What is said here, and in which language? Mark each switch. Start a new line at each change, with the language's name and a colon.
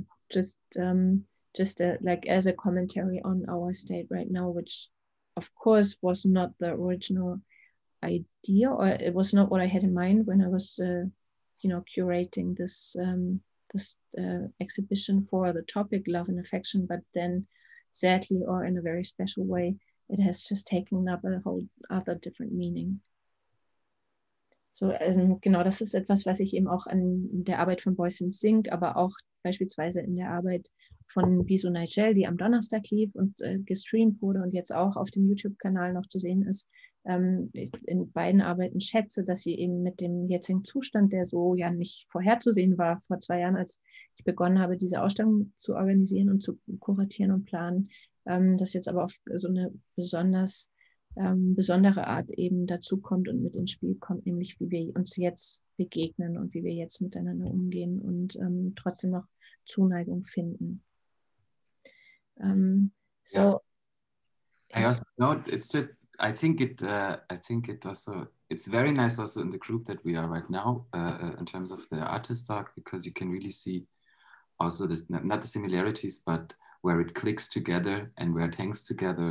English: just as a commentary on our state right now, which of course was not the original idea or it was not what I had in mind when I was, curating this exhibition for the topic love and affection, but then sadly or in a very special way, it has just taken up a whole other different meaning.
German: So genau, das ist etwas, was ich eben auch an der Arbeit von Boys in Sync, aber auch beispielsweise in der Arbeit von Bisu Nigel, die am Donnerstag lief und gestreamt wurde und jetzt auch auf dem YouTube-Kanal noch zu sehen ist, in beiden Arbeiten schätze, dass sie eben mit dem jetzigen Zustand, der so ja nicht vorherzusehen war vor 2 Jahren, als ich begonnen habe, diese Ausstellung zu organisieren und zu kuratieren und planen, das jetzt aber auf so eine besondere Art eben dazu kommt und mit ins Spiel kommt, nämlich wie wir uns jetzt begegnen und wie wir jetzt miteinander umgehen und trotzdem noch Zuneigung finden.
English: I also know it's just I think it also it's very nice also in the group that we are right now in terms of the artist talk, because you can really see also this not the similarities but where it clicks together and where it hangs together.